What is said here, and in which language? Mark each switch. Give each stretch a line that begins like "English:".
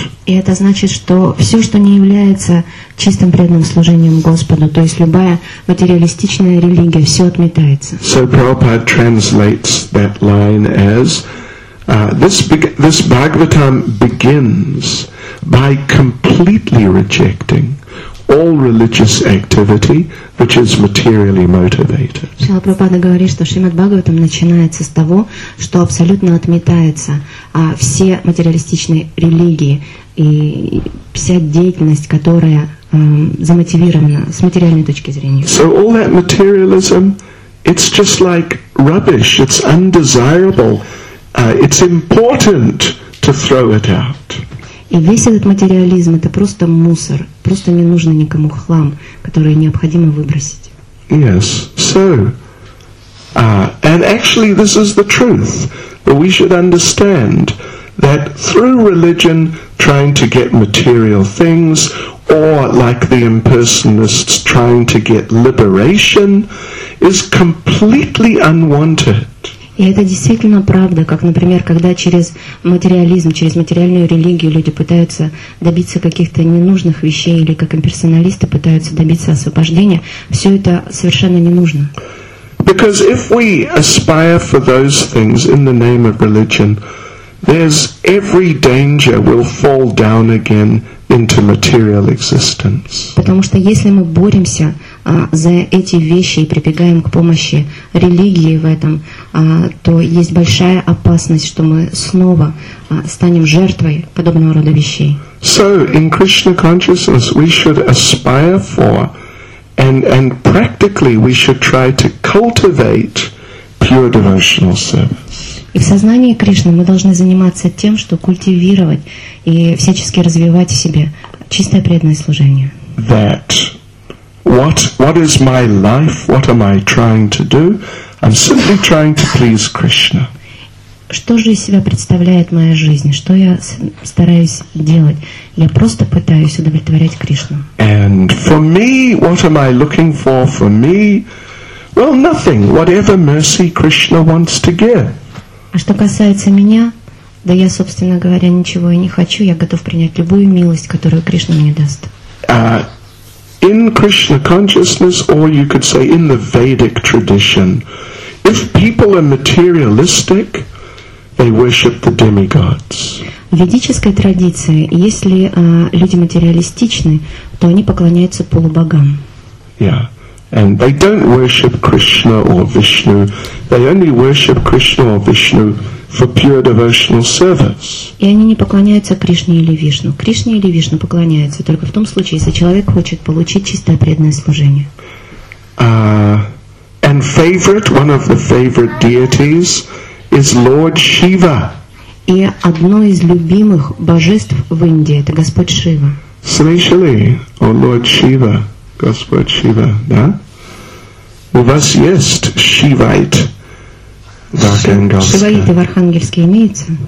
Russian: И это значит, что все, что не является чистым преданным служением Господу, то есть любая материалистичная религия, все отметается.
English: So Prabhupada translates that line as this Bhagavatam begins by completely rejecting all religious activity which is materially motivated.
Russian: Шрила Прабхупада говорит, что Шримад Бхагаватам начинается с того, что абсолютно отметается все материалистичные религии и вся деятельность, которая замотивирована с материальной точки зрения.
English: So all that materialism, it's just like rubbish, it's undesirable, it's important to throw it out.
Russian: И весь этот материализм — это просто мусор, просто не нужен никому хлам, который необходимо выбросить.
English: Yes, so, and actually this is the truth. We should understand that through religion, trying to get material things, or like the impersonalists, trying to get liberation, is completely unwanted.
Russian: И это действительно правда, как, например, когда через материализм, через материальную религию люди пытаются добиться каких-то ненужных вещей, или как имперсоналисты пытаются добиться освобождения, все это совершенно не нужно.
English: Because if we aspire for those things in the name of religion, there's every danger we'll fall down again into material existence.
Russian: Потому что если мы боремся за эти вещи и прибегаем к помощи религии в этом, то есть большая опасность, что мы снова станем жертвой подобного рода вещей.
English: So in Krishna consciousness we should aspire for and practically we should try to cultivate pure devotional service.
Russian: И в сознании Кришны мы должны заниматься тем, что культивировать и всячески развивать в себе чистое преданное служение.
English: That what is my life? What am I trying to do? I'm simply trying to please Krishna.
Russian: Что же из себя представляет моя жизнь? Что я стараюсь делать? Я просто пытаюсь удовлетворять Кришну.
English: And for me, what am I looking for? For me, well, nothing. Whatever mercy Krishna wants to give.
Russian: А что касается меня, да я, собственно говоря, ничего и не хочу, я готов принять любую милость, которую Кришна мне даст.
English: In Krishna consciousness, or you could say in the Vedic tradition, if people are materialistic, they worship the demigods.
Russian: В ведической традиции, если люди материалистичны, то они поклоняются полубогам.
English: Yeah. And they don't worship Krishna or Vishnu. They only worship Krishna or Vishnu for pure devotional service.
Russian: И они не поклоняются Кришне или Вишну. Кришне или Вишну поклоняются только в том случае, если человек хочет получить чистое преданное служение.
English: And favorite, one of the favorite deities, is Lord Shiva.
Russian: И одно из любимых божеств в Индии — это Господь Шива.
English: Srishali, or Lord Shiva.
Russian: Господь Шива, да? У вас есть Шивайт в Архангельске? Шивайты в Архангельске имеются?